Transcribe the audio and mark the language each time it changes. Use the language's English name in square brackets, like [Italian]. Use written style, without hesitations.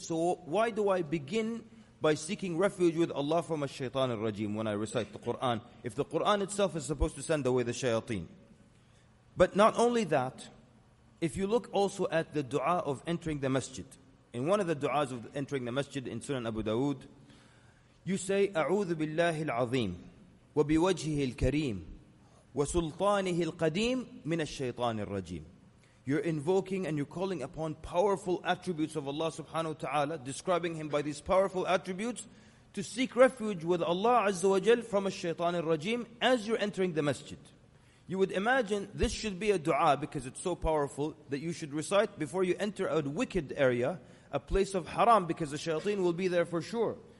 [English] So why do I begin by seeking refuge with Allah from ash-shaytan ar-rajim when I recite the Qur'an, if the Qur'an itself is supposed to send away the shayateen? But not only that, if you look also at the dua of entering the masjid, in one of the du'as of entering the masjid in Sunan Abu Dawood, you say, [Arabic] أعوذ بالله العظيم وبوجهه الكريم وسلطانه القديم من الشيطان الرجيم. [English] You're invoking and you're calling upon powerful attributes of Allah subhanahu wa ta'ala, describing him by these powerful attributes, to seek refuge with Allah azza wa jal from a shaitan al-rajim as you're entering the masjid. You would imagine this should be a dua because it's so powerful that you should recite before you enter a wicked area, a place of haram, because the shaitan will be there for sure.